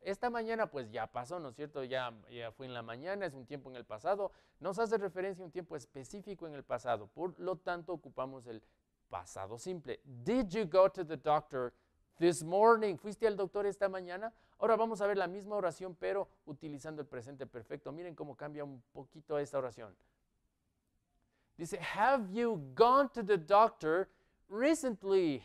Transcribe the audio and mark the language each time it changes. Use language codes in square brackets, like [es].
[es] Esta mañana pues ya pasó, ¿no es cierto? Ya fue en la mañana, es un tiempo en el pasado. Nos hace referencia a un tiempo específico en el pasado. Por lo tanto, ocupamos el pasado simple. [en] Did you go to the doctor this morning? [es] ¿Fuiste al doctor esta mañana? Ahora vamos a ver la misma oración, pero utilizando el presente perfecto. Miren cómo cambia un poquito esta oración. Dice, [en] have you gone to the doctor recently?